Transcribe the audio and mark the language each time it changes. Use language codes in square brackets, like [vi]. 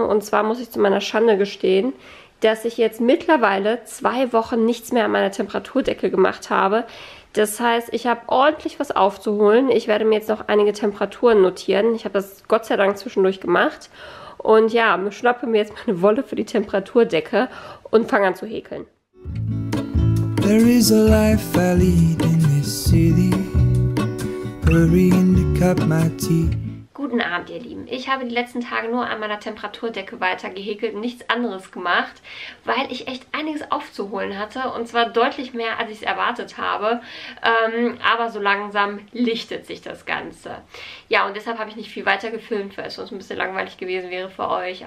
[de] Und zwar muss ich zu meiner Schande gestehen, dass ich jetzt mittlerweile 2 Wochen nichts mehr an meiner Temperaturdecke gemacht habe. Das heißt, ich habe ordentlich was aufzuholen. Ich werde mir jetzt noch einige Temperaturen notieren. Ich habe das Gott sei Dank zwischendurch gemacht. Und ja, schnappe mir jetzt meine Wolle für die Temperaturdecke und fange an zu häkeln. [en] There is a life I lead in this city, hurrying to cut my teeth. [de] Guten Abend, ihr Lieben. Ich habe die letzten Tage nur an meiner Temperaturdecke weiter gehäkelt und nichts anderes gemacht, weil ich echt einiges aufzuholen hatte und zwar deutlich mehr, als ich es erwartet habe. Aber so langsam lichtet sich das Ganze. Ja, und deshalb habe ich nicht viel weiter gefilmt, weil es sonst ein bisschen langweilig gewesen wäre für euch.